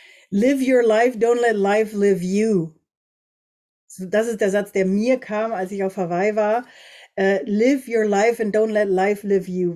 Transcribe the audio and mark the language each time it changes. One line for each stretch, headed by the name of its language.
English: Live Your Life, don't let life live you.
German: Das ist der Satz, der mir kam, als ich auf Hawaii war.
English: Live Your Life and don't let life live you.